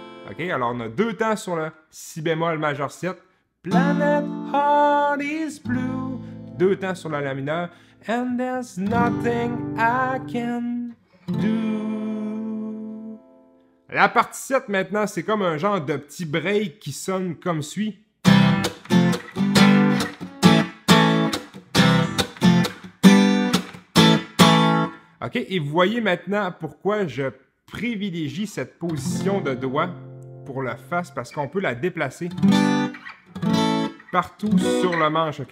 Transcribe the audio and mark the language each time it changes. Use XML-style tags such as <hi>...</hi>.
<fr>OK? Alors, on a deux temps sur le si bémol majeur 7.</fr> <en>Planet heart is blue.</en> <fr>Deux temps sur la mineur.</fr> <en>And there's nothing I can do.</en> <fr>La partie 7 maintenant, c'est comme un genre de petit break qui sonne comme suit. OK, et vous voyez maintenant pourquoi je privilégie cette position de doigt pour la face, parce qu'on peut la déplacer partout sur le manche, OK?</fr>